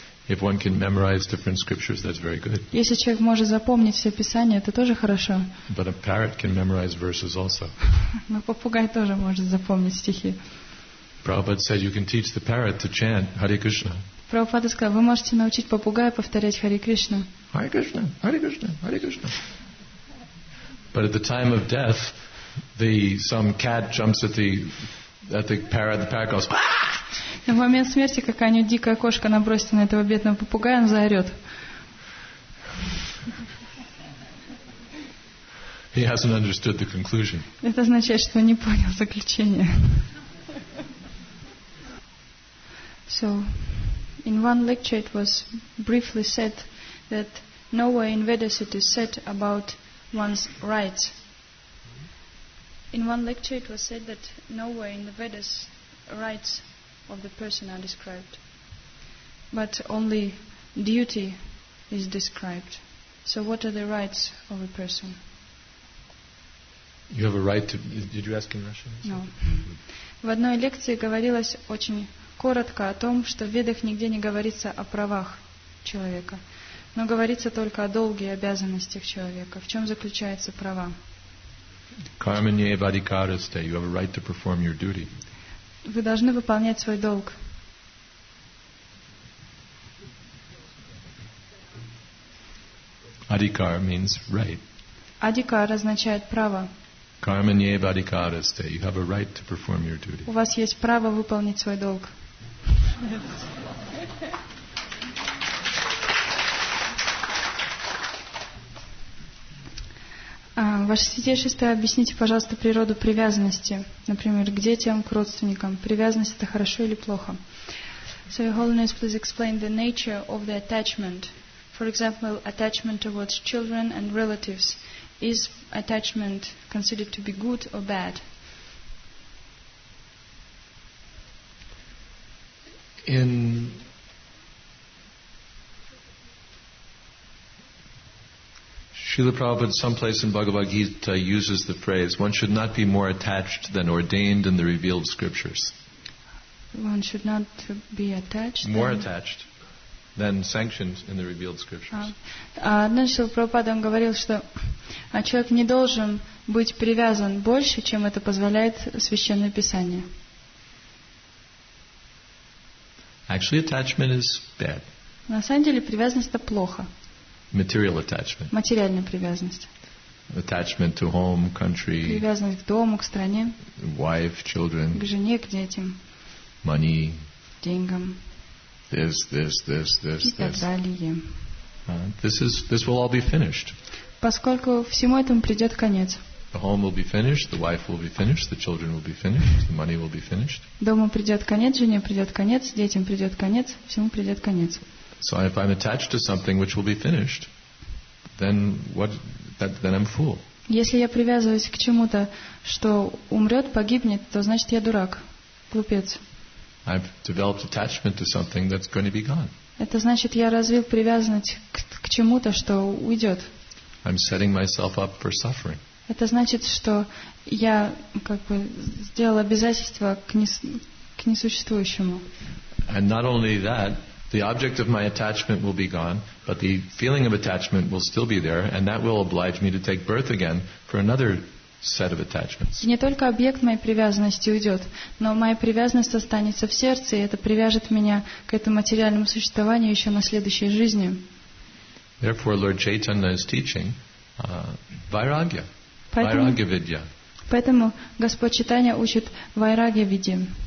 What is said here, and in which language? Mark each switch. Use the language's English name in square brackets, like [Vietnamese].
[English] If one can memorize different scriptures, that's very good. [Russian] Если человек может запомнить все писания, это тоже хорошо. [English] But a parrot can memorize verses also. [Russian] Но попугай тоже может запомнить стихи. [English] Prabhupada said you can teach the parrot to chant Hare Krishna. [Russian] Прабхупада сказал, вы можете научить попугая повторять Hare Krishna. [Sanskrit] Hare Krishna, Hare Krishna, Hare Krishna. [English] But at the time of death, some cat jumps at the parrot. The parrot goes. [Russian] На момент смерти какая-нибудь дикая кошка набросится на этого бедного попугая, он заорет. [English] He hasn't understood the conclusion. [Russian] Это означает, что он не понял заключение. [English] So, in one lecture it was briefly said that nowhere in Vedas it is said about one's rights. In one lecture it was said that nowhere in the Vedas rights of the person are described, but only duty is described. So what are the rights of a person? You have a right to... Did you ask in Russian? No. [Russian] В одной лекции говорилось очень коротко о том, что в Ведах нигде не говорится о правах человека, но говорится только о долге и обязанностях человека. В чем заключаются права? [Sanskrit] Кармане вадикарасте. [English] You have a right to perform your duty. [Russian] Вы должны выполнять свой долг. [English] Adhikar means right. [Russian] Adhikar означает право. [Sanskrit] Karmanye vadhikaraste. [English] You have a right to perform your duty. [Russian] У вас есть право выполнить свой долг. Ваше святейшество, объясните, пожалуйста, природу привязанности, например, к детям, к родственникам. Привязанность — это хорошо или плохо? [English] So, Your Holiness, please explain the nature of the attachment. For example, attachment towards children and relatives. Is attachment considered to be good or bad? Srila Prabhupada, someplace in Bhagavad Gita, uses the phrase, one should not be more attached than ordained in the revealed scriptures. One should not be attached? More attached than sanctioned in the revealed scriptures. [Russian] Однажды Srila Prabhupada говорил, что человек не должен быть привязан больше, чем это позволяет Священное Писание. [English] Actually, attachment is bad. [Russian] На самом деле, привязанность — это плохо. [English] Material attachment. [Russian] Материальная привязанность. [English] Attachment to home, country. [Russian] Привязанность к дому, к стране. [English] Wife, children. [Russian] К жене, к детям. [English] Money. [Russian] Деньгам. [English] This. [Russian] И так далее. [English] This will all be finished. [Russian] Поскольку всему этому придет конец. [English] The home will be finished, the wife will be finished, the children will be finished, the money will be finished. [Russian] Дому придет конец, жене придет конец, детям придет конец, всему придет конец. [English] So if I'm attached to something which will be finished, then what? Then I'm a fool. [Russian] Если я привязываюсь к чему-то, что умрет, погибнет, то значит я дурак, глупец. [English] I've developed attachment to something that's going to be gone. [Russian] Это значит, я развил привязанность к чему-то, что уйдет. [English] I'm setting myself up for suffering. [Russian] Это значит, что я как бы сделал обязательство к несуществующему. [English] And not only that. The object of my attachment will be gone, but the feeling of attachment will still be there, and that will oblige me to take birth again for another set of attachments. [Russian] Не только объект моей привязанности уйдет, но моя привязанность останется в сердце, и это привяжет меня к этому материальному существованию еще на следующей жизни. [English] Therefore, Lord Chaitanya is teaching vairagya, vairagya vidya. [Russian] Поэтому Господь Читания учит вайрагья виде.